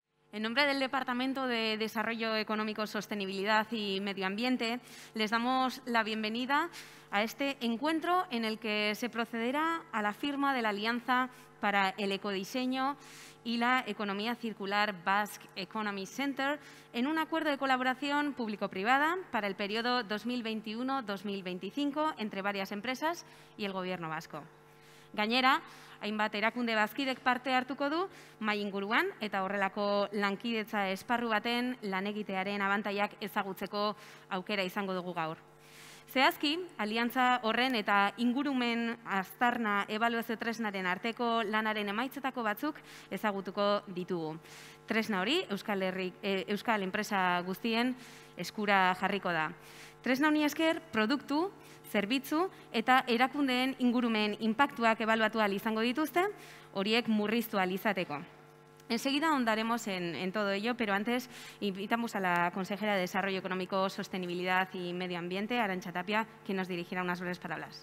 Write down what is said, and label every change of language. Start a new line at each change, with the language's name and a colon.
Spanish: En nombre del Departamento de Desarrollo Económico, Sostenibilidad y Medio Ambiente, les damos la bienvenida a este encuentro en el que se procederá a la firma de la Alianza para el Ecodiseño y la Economía Circular Basque Economy Center en un acuerdo de colaboración público-privada para el periodo 2021-2025 entre varias empresas y el Gobierno Vasco.
Basque: Gainera, hainbat erakunde bazkidek parte hartuko du mai inguruan eta horrelako lankidetza esparru baten lan egitearen abantaiak ezagutzeko aukera izango dugu gaur. Zehazki, aliantza horren eta ingurumen aztarna ebaluazio tresnaren arteko lanaren emaitzetako batzuk ezagutuko ditugu. Tresna hori Euskal enpresa guztien eskura jarriko da. Tresna honi esker, produktu, zerbitzu eta erakundeen ingurumen inpaktuak ebaluatu ahal izango dituzte, horiek murriztu ahal izateko.
Spanish: Enseguida ahondaremos en todo ello, pero antes invitamos a la consejera de Desarrollo Económico, Sostenibilidad y Medio Ambiente, Arantxa Tapia, que nos dirigirá unas breves palabras.